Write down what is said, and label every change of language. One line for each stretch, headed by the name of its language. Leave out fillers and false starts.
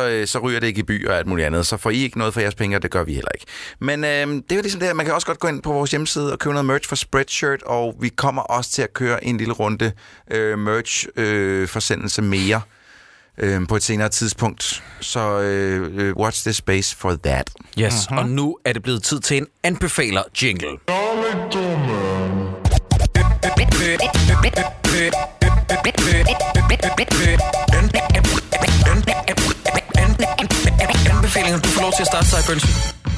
Danish: Så ryger det ikke i by og alt muligt andet. Så får I ikke noget for jeres penge, og det gør vi heller ikke. Men det er ligesom det her. Man kan også godt gå ind på vores hjemmeside og købe noget merch for Spreadshirt, og vi kommer også til at køre en lille runde merch-forsendelse mere på et senere tidspunkt.
English: Så watch this space for that. Yes, mm-hmm.
Danish: Og nu er det blevet tid til en anbefaler-jingle. Anbefalinger, du får lov til at starte, Sideburns.